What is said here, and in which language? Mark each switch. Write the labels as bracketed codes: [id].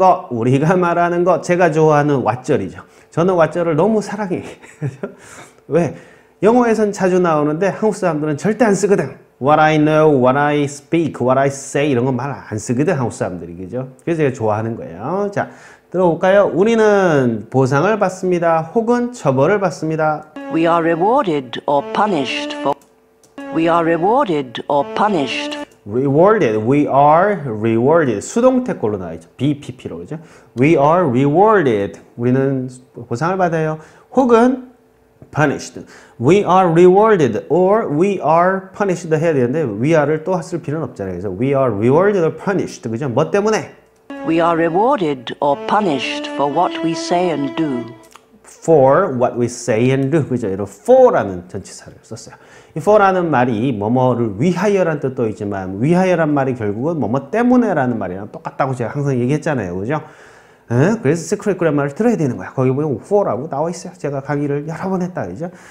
[ko] 우리가 말하는 것. 제가 좋아하는 왓절이죠. 저는 왓절을 너무 사랑해. 왜? 영어에선 자주 나오는데 한국 사람들은 절대 안 쓰거든. [en] What I know, what I speak, what I say [ko] 이런 건 말 안 쓰거든. 한국 사람들이. 그죠? 그래서 제가 좋아하는 거예요. 자. 들어볼까요? 우리는 보상을 받습니다. 혹은 처벌을 받습니다. [en] We are rewarded or punished for. We are rewarded or punished. Rewarded. We are rewarded. [ko] 수동태 걸로 나와있죠. BPP로. 그죠? [en] We are rewarded. [ko] 우리는 보상을 받아요. 혹은 [en] punished. We are rewarded or we are punished [ko] 해야 되는데 [en] we are [ko] 를 또 쓸 필요는 없잖아요. 그래서 [en] we are rewarded or punished. [ko] 그죠? 뭐 때문에? [en] We are rewarded or punished for what we say and do. For what we say and do. [ko] 그죠? 이런 for라는 전치사를 썼어요. 이 for라는 말이 뭐뭐를 위하여란 뜻도 있지만 위하여란 말이 결국은 뭐뭐 때문에라는 말이랑 똑같다고 제가 항상 얘기했잖아요. 그죠? 에? 그래서 secret grammar을 들어야 되는 거야. 거기 보면 for라고 나와 있어요. 제가 강의를 여러 번 했다. 그죠?